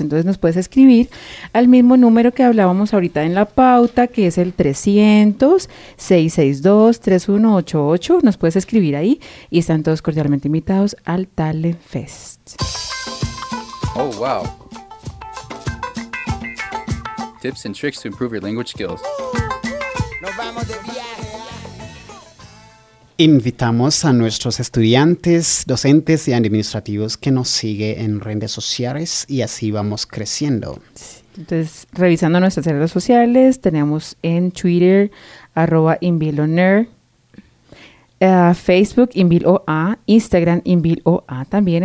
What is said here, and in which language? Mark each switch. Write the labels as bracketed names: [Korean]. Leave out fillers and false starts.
[Spanish] Entonces nos puedes escribir al mismo número que hablábamos ahorita en la pauta, que es el 300-662-3188. Nos puedes escribir ahí y están todos cordialmente invitados al Talent Fest. [English] Oh, wow. Tips and tricks to improve your language skills. [Spanish] Nos vamos de viaje. Invitamos a nuestros estudiantes, docentes y administrativos que nos siguen en redes sociales y así vamos creciendo. Entonces, revisando nuestras redes sociales, tenemos en Twitter, @InvilOnAir, Facebook, InvilOA, Instagram, InvilOA también.